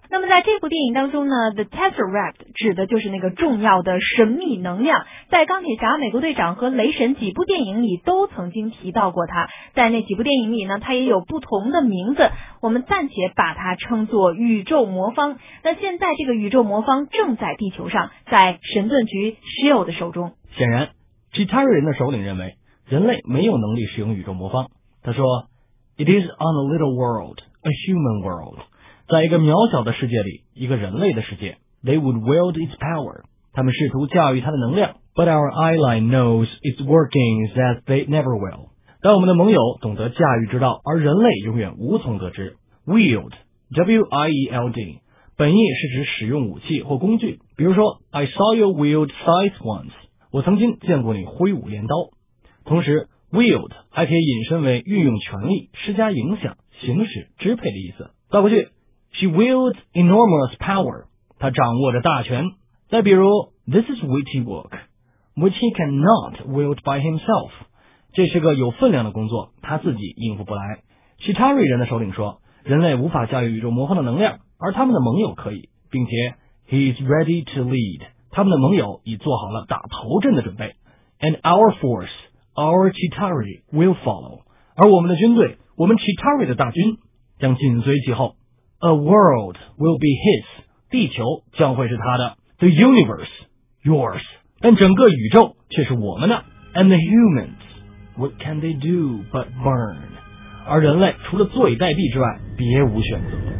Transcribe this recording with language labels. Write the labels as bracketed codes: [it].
[zh] 那么在这部电影当中呢 The Tesseract 指的就是那个重要的神秘能量在钢铁侠美国队长和雷神几部电影里都曾经提到过它在那几部电影里呢它也有不同的名字我们暂且把它称作宇宙魔方那现在这个宇宙魔方正在地球上在神盾局 SHIELD 的手中显然 Chitauri 人的首领认为人类没有能力使用宇宙魔方他说 [en] It is on a little world, a human world [zh] 在一个渺小的世界里，一个人类的世界 ， [en] They would wield its power. [zh] 他们试图驾驭它的能量。 [en] But our ally knows its workings as they never will. [zh] 但我们的盟友懂得驾驭之道，而人类永远无从得知。 Wield, W-I-E-L-D, 本意是指使用武器或工具。比如说 [en] ，I saw you wield scythe once. [zh] 我曾经见过你挥舞镰刀。同时 ，wield 还可以引申为运用权力、施加影响、行使、支配的意思。倒过去。 [en] She wields enormous power. [zh] 她掌握着大权。再比如 [en] ,this is witty work, which he cannot wield by himself. [zh] 这是个有分量的工作他自己应付不来。Chitauri 人的首领说人类无法驾驭宇宙魔方的能量而他们的盟友可以并且 , [en] he is ready to lead. [zh] 他们的盟友已做好了打头阵的准备。 [en] And our force, our Chitauri, will follow. [zh] 而我们的军队我们 Chitauri 的大军将紧随其后。 [en] A world will be his, [zh] 地球将会是他的。 [en] The universe, yours. [zh] 但整个宇宙却是我们的。 [en] And the humans, what can they do but burn? [zh] 而人类除了坐以待毙之外，别无选择。